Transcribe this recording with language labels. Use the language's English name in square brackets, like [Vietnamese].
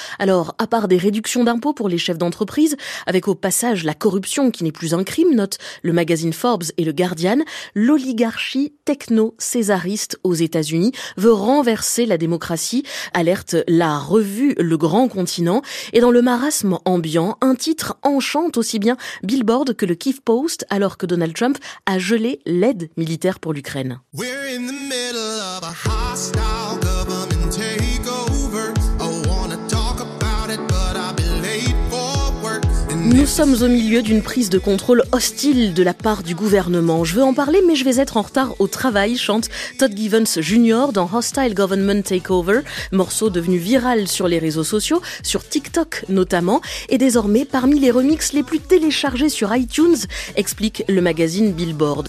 [French] Alors, à part des réductions d'impôts pour les chefs d'entreprise, avec au passage la corruption qui n'est plus un crime, note le magazine Forbes et le Guardian, l'oligarchie techno-césariste aux États-Unis veut renverser la démocratie, alerte la revue Le Grand Continent. Et dans le marasme ambiant, un titre enchante aussi bien Billboard que le Kiev Post, alors que Donald Trump a gelé l'aide militaire pour l'Ukraine. [English] We're in the middle of a hostile government takeover. I wanna talk about it, but I've been late for work. [French] Nous sommes au milieu d'une prise de contrôle hostile de la part du gouvernement. Je veux en parler, mais je vais être en retard au travail, chante Todd Givens Jr. dans Hostile Government Takeover, morceau devenu viral sur les réseaux sociaux, sur TikTok notamment, et désormais parmi les remixes les plus téléchargés sur iTunes, explique le magazine Billboard.